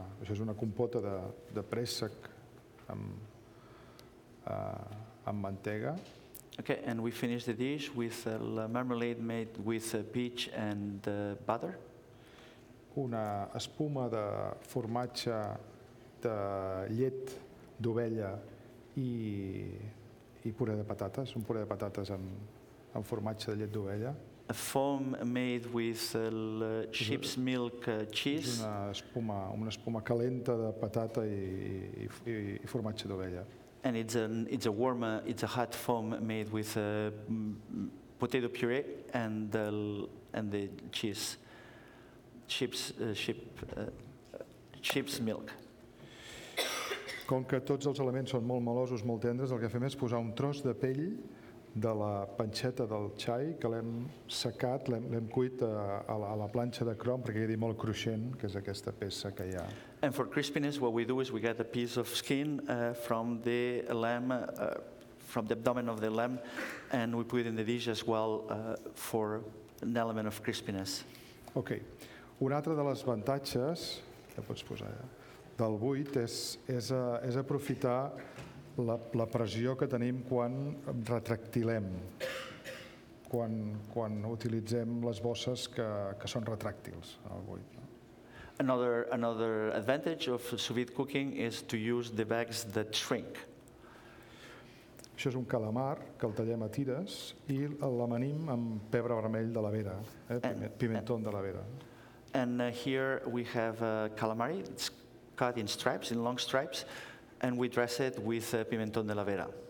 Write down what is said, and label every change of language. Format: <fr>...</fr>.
<ca>Això és una compota de préssec amb mantega.</ca> <en>Okay, and we finish the dish with a marmalade made with peach and butter.</en> <ca>Una espuma de formatge de llet d'ovella I puré de patates, un puré de patates amb formatge de llet d'ovella.</ca> <en>A foam made with sheep's milk cheese.</en> <ca>És una espuma calenta de patata I formatge d'ovella.</ca> <en>And it's a hot foam made with potato puree and the cheese, sheep's milk.</en> <ca>Com que tots els elements són molt melosos, molt tendres, el que fem és posar un tros de pell de la panxeta del xai que l'hem secat, l'hem cuit a la planxa de crom perquè quedi molt cruixent, que és aquesta peça que hi ha.</ca> <en>And for crispiness, what we do is we get a piece of skin from the lamb, from the abdomen of the lamb, and we put it in the dish as well for an element of crispiness. Okay.</en> <ca>Un altre de les avantatges que pots posar allà, del buit és aprofitar la pressió que tenim quan retractilem, quan utilitzem les bosses que són retràctils, el buit.</ca> <en>Another advantage of sous vide cooking is to use the bags that shrink.</en> <ca>Això és un calamar que el tallem a tires I l'amanim amb pebre vermell de la Vera, pimenton de la Vera.</ca> <en>And here we have a calamari. It's cut in stripes, in long stripes, and we dress it with pimenton de la Vera.</en>